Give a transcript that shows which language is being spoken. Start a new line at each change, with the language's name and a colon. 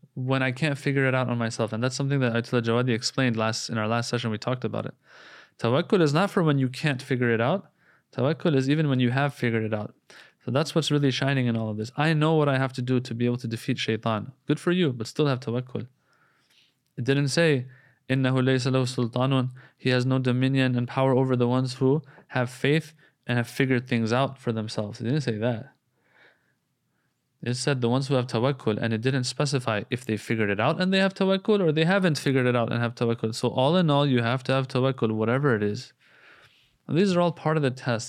English: when I can't figure it out on myself. And that's something that Ayatollah Jawadi explained last in our last session. We talked about it. Tawakkul is not for when you can't figure it out. Tawakkul is even when you have figured it out. So that's what's really shining in all of this. I know what I have to do to be able to defeat shaitan. Good for you, but still have tawakkul. It didn't say,
Arabic: إِنَّهُ لَيْسَ لَهُ سُلْطَانٌ.
English: He has no dominion and power over the ones who have faith and have figured things out for themselves. It didn't say that. It said the ones who have tawakkul, and it didn't specify if they figured it out and they have tawakkul or they haven't figured it out and have tawakkul. So all in all, you have to have tawakkul, whatever it is. And these are all part of the test.